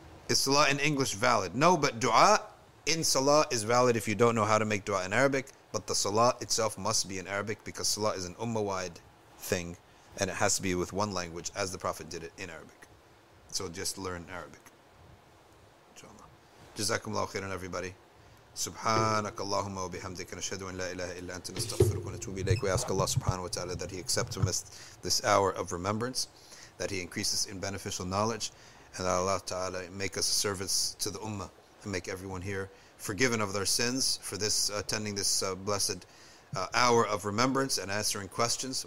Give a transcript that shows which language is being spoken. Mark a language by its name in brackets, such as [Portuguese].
[English] Is salah in English valid? No, but dua in salah is valid if you don't know how to make dua in Arabic. But the salah itself must be in Arabic because salah is an ummah-wide thing. And it has to be with one language as the Prophet did it in Arabic. So just learn Arabic. [Arabic] جزاكم الله خيرا [English] everybody. [Arabic] سبحانك اللهم وبحمدك نشهد أن لا إله إلا أنت نستغفرك ونتوب إليك. [English] We ask Allah subhanahu wa ta'ala that he accept from us this hour of remembrance, that he increases in beneficial knowledge, And that Allah Ta'ala make us a service to the Ummah and make everyone here forgiven of their sins for this attending this blessed hour of remembrance and answering questions.